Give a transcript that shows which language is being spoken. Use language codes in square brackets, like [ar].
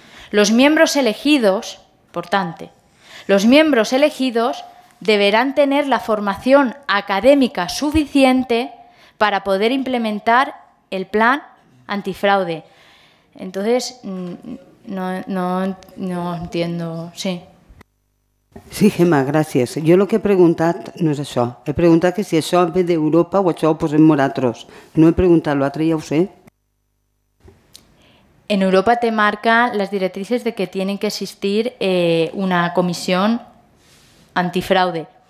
[es] Los miembros elegidos, importante, los miembros elegidos deberán tener la formación académica suficiente para poder implementar el plan antifraude. Entonces, no entiendo, sí. [ca] Sí, Gemma, gràcies. Jo el que he preguntat no és això. He preguntat que si això ve d'Europa o això ho posem nosaltres. No he preguntat l'altre, ja ho sé. [es] En Europa te marca les directrices de que tienen que existir una comisión antifraude.